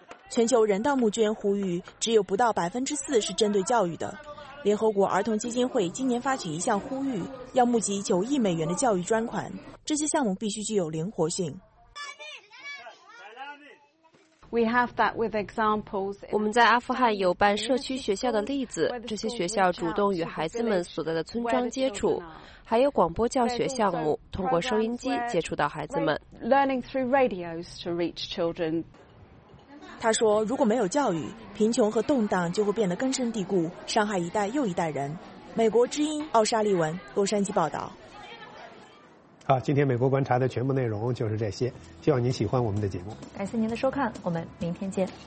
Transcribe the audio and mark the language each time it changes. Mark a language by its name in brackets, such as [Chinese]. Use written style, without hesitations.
[Chinese] 全球人道募捐呼吁只有不到4%是针对教育的。联合国儿童基金会今年发起一项呼吁，要募集9亿美元的教育专款，这些项目必须具有灵活性。 [English] We have that with examples. [Chinese] 我们在阿富汗有办社区学校的例子，这些学校主动与孩子们所在的村庄接触，还有广播教学项目，通过收音机接触到孩子们。 [English] Learning through radios to reach children. [Chinese] 他说，如果没有教育，贫穷和动荡就会变得根深蒂固，伤害一代又一代人。美国之音奥沙利文，洛杉矶报道。好，今天美国观察的全部内容就是这些，希望您喜欢我们的节目。感谢您的收看，我们明天见。